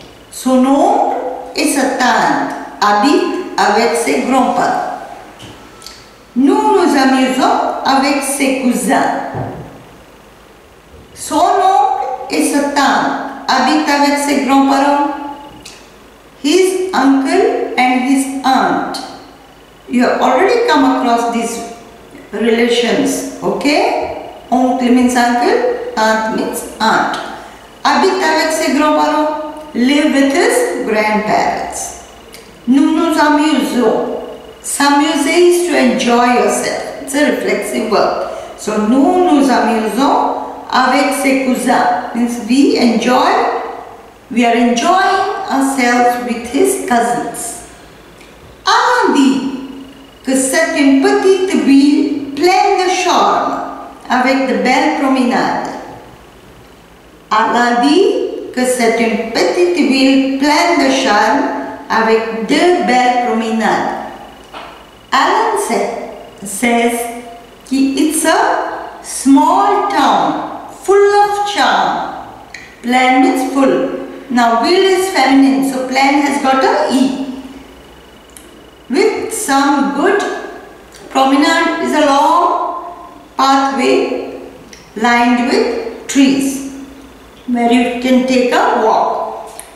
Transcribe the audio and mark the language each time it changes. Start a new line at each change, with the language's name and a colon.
French: Son nom est sa tante. Habite avec ses grands-parents. Nous nous amusons avec ses cousins. Son oncle et sa tante habitent avec ses grands-parents.
English: His uncle and his aunt. You have already come across these relations, okay? Oncle means uncle, aunt means aunt.
French: Habite avec ses grands-parents.
English: Live with his grandparents.
French: Nous nous amusons.
English: S'amuser is to enjoy yourself. It's a reflexive verb.
French: So, nous nous amusons avec ses cousins.
English: Means we enjoy, we are enjoying ourselves with his cousins.
French: Alain dit que c'est une petite ville pleine de charme avec de belles promenades. Alain dit que c'est une petite ville pleine de charme avec de belles promenades.
English: Alain says que it's a small town full of charm. Plein means full. Now, ville is feminine, so plein has got a E. With some good promenade is a long pathway lined with trees where you can take a walk.